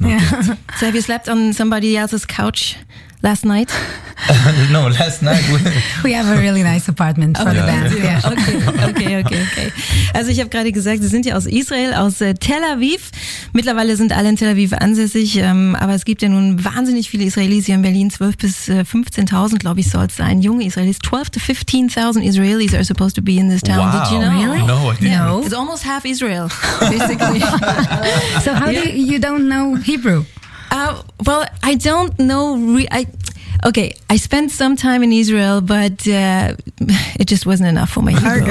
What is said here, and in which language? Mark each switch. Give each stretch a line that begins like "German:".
English: So have you slept on somebody else's couch last night? No, last night. We have a really nice apartment for the band. Okay.
German: Also ich habe gerade gesagt, Sie sind ja aus Israel, aus Tel Aviv. Mittlerweile sind alle in Tel Aviv ansässig, aber es gibt ja nun wahnsinnig viele Israelis hier in Berlin. 12 bis 15.000, glaube ich, soll es sein. Junge Israelis.
English: 12 to 15.000 Israelis are supposed to be in this town. Wow. Did you know? Really? No, I didn't. Yeah. It's almost half Israel, basically. So how do you don't know Hebrew? Well, I don't know. I spent some time in Israel, but it just wasn't enough for my Hebrew.